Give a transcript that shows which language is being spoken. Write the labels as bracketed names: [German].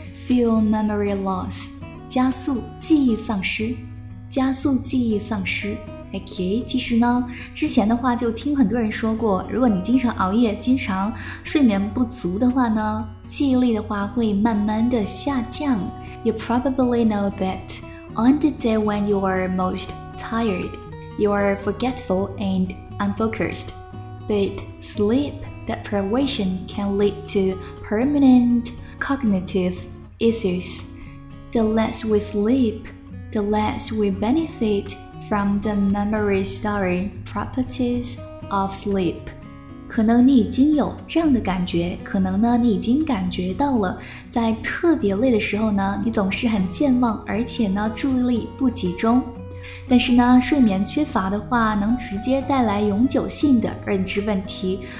[English] Fuel memory loss， [Chinese] 加速记忆丧失。加速记忆丧失 OK， 其实呢，之前的话就听很多人说过，如果你经常熬夜，经常睡眠不足的话呢，记忆力的话会慢慢的下降。 [English] You probably know that on the day when you are most tired, you are forgetful and unfocused. But sleep deprivation can lead to permanent cognitive issues. The less we sleepThe less we benefit from the memory storing properties of sleep. [Chinese] 可能你已经有这样的感觉，可能呢，你已经感觉到了，在特别累的时候呢，你总是很健忘，而且呢，注意力不集中。但是呢，睡眠缺乏的话，能直接带来永久性的认知问题。